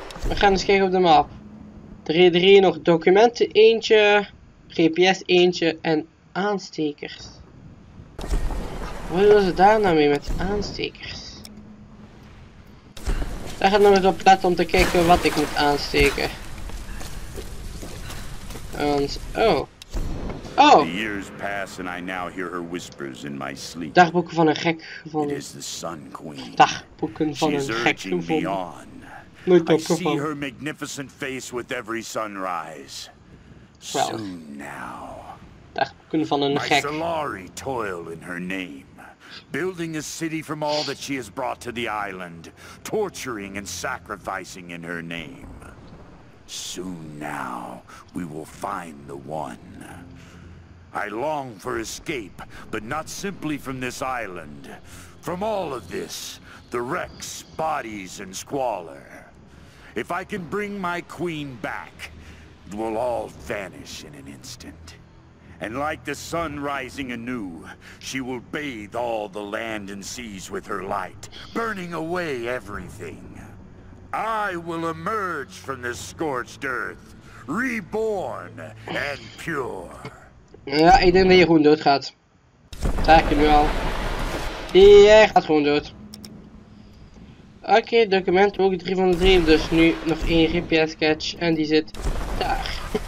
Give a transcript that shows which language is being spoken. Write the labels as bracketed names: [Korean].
[Dutch] We gaan eens kijken op de map. 3-3 nog documenten eentje. GPS eentje en aanstekers. Wat doen ze daar nou mee met aanstekers? Daar gaat nog eens op letten om te kijken wat ik moet aansteken. Want, oh. Oh! [English] The years pass and I now hear her whispers in my sleep. [Dutch] Dagboeken van een gek gevonden. [English] It is the Sun Queen. [Dutch] Dagboeken van een gek gevonden. Leuk op gevonden. [English] I see her magnificent face with every sunrise. Well. Soon now. [Dutch] Dagboeken van een gek. [English] My Solari toil in her name. Building a city from all that she has brought to the island, torturing and sacrificing in her name. Soon now, we will find the one. I long for escape, but not simply from this island. From all of this, the wrecks, bodies, and squalor. If I can bring my queen back, it will all vanish in an instant. And like the sun rising anew, she will bathe all the land and seas with her light, burning away everything. I will emerge from this scorched earth, reborn and pure. [Dutch] Ja, ik denk dat je gewoon dood gaat. Dank je wel. Jij gaat gewoon dood. Oké, document ook 3 van de 3, dus nu nog 1 GPS catch en die zit daar.